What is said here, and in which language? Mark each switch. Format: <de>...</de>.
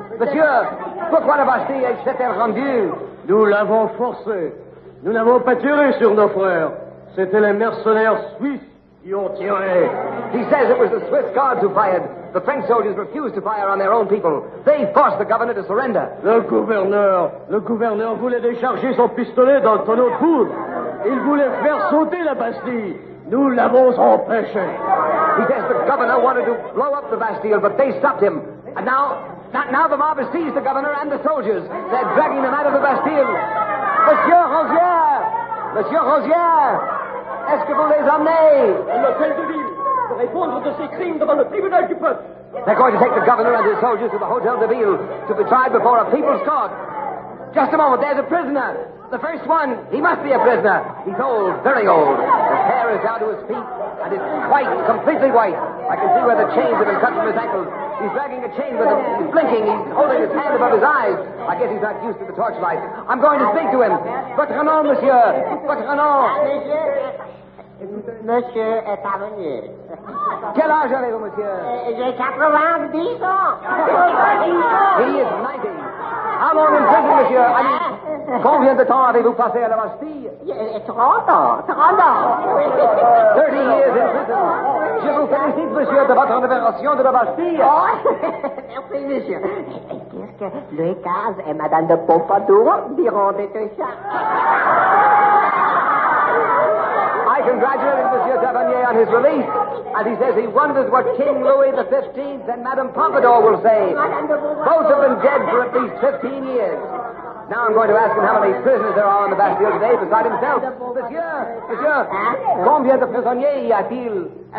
<fr>Monsieur, pourquoi la Bastille s'est-elle rendue? Nous l'avons forcé. Nous n'avons pas tiré sur nos frères. C'était les mercenaires suisses.</fr> <en>He says it was the Swiss guards who fired. The French soldiers refused to fire on their own people. They forced the governor to surrender.</en> <fr>Le gouverneur voulait décharger son pistolet dans le tonneau de poudre. Il voulait faire sauter la Bastille. Nous l'avons empêché.</fr> <en>He says the governor wanted to blow up the Bastille, but they stopped him. And now the mob has seized the governor and the soldiers. They're dragging them out of the Bastille. Monsieur Rosière!</en> <fr>Monsieur Rosière! Est-ce que vous les emmenez? L'hôtel de ville, pour répondre de ces crimes devant le tribunal du peuple.</fr> <en>They're going to take the governor and his soldiers to the Hotel de Ville to be tried before a people's court. Just a moment, there's a prisoner. The first one, he must be a prisoner. He's old, very old. His hair is down to his feet, and it's white, completely white. I can see where the chains have been cut from his ankles. He's dragging a chain with him. He's blinking. He's holding his hand above his eyes. I guess he's not used to the torchlight. I'm going to speak to him.</en> <fr>Votre nom, monsieur. Votre nom. Monsieur est parvenu. Quel âge avez-vous, monsieur? J'ai 90 ans.</fr> <en>He is 90. How long in prison, monsieur? I mean,</en> <fr>combien de temps avez-vous passé à la Bastille? 30 ans. 30 ans. 30 monsieur, de votre intervention de la Bastille. Oh, merci, monsieur. Et qu'est-ce que Louis XV et Madame de Pompadour diront des Truchards?</fr> <en>I congratulated Monsieur Tavernier on his release, and he says he wonders what King Louis XV and Madame Pompadour will say. Both have been dead for at least 15 years. Now I'm going to ask him how many prisoners there are on the Bastille today beside himself.</en> <fr>Monsieur, combien de prisonniers y a-t-il?</fr>